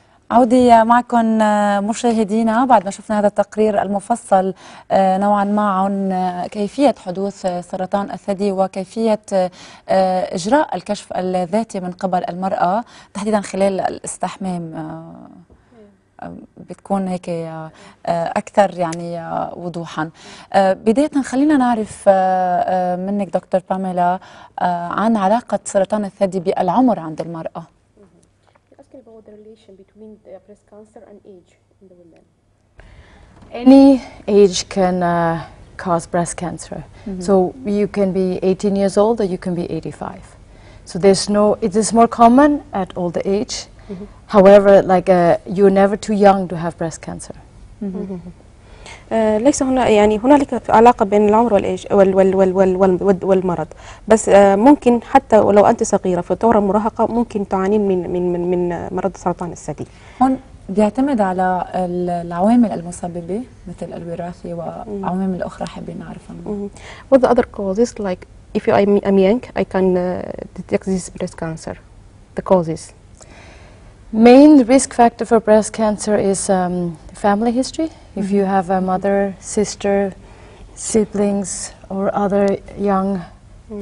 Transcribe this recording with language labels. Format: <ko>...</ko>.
<ar>عودي معكم مشاهدينا بعد ما شفنا هذا التقرير المفصل نوعا ما عن كيفية حدوث سرطان الثدي وكيفية إجراء الكشف الذاتي من قبل المرأة تحديدا خلال الاستحمام، بتكون هيك أكثر يعني وضوحا. بداية خلينا نعرف منك دكتور باميلا عن علاقة سرطان الثدي بالعمر عند المرأة.</ar> <en>About the relation between breast cancer and age in the women. Any age can cause breast cancer. Mm-hmm. So you can be 18 years old or you can be 85. So there's no, it is more common at older age. Mm-hmm. However, like you're never too young to have breast cancer.</en> <ar>ليس هنا يعني هنالك علاقة بين العمر والإيش وال وال وال وال والمرض، بس ممكن حتى ولو أنت صغيرة في دورة مراهقة ممكن تعاني من من من من مرض سرطان الثدي. هون بيعتمد على العوامل المسببة مثل الوراثي وعوامل أخرى حابين نعرفها.</ar> <en>What the other causes like if I am young I can detect this breast cancer, the causes. Main risk factor for breast cancer is family history. Mm-hmm. If you have a mother, sister, siblings, or other young mm-hmm.</en>